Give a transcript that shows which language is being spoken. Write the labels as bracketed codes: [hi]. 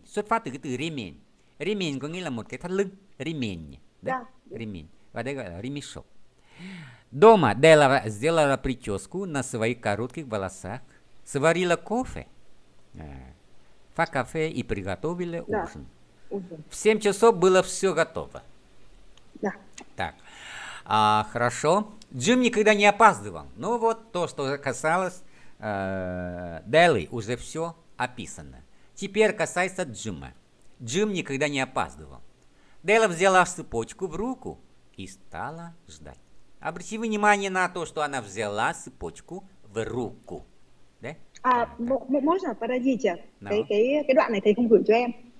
[vi] Xuất phát từ cái từ ремень. Ремень có nghĩa là một cái thắt lưng. [ru] Ремень. Да? Ремень. [vi] Và đây gọi là ремешок. [ru] Дома Делла сделала прическу на своих коротких волосах, сварила кофе, фа кафе и приготовила Да. ужин. В 7 часов было все готово. Так. А, хорошо. Джим никогда не опаздывал. Ну вот то, что касалось Дели уже все описано. Теперь касается Джима. Джим никогда не опаздывал. Дела взяла цепочку в руку и стала ждать. Обрати внимание на то, что она взяла цепочку в руку. Да? Можно? Подождите. [vi] Cái đoạn này thầy không gửi cho em.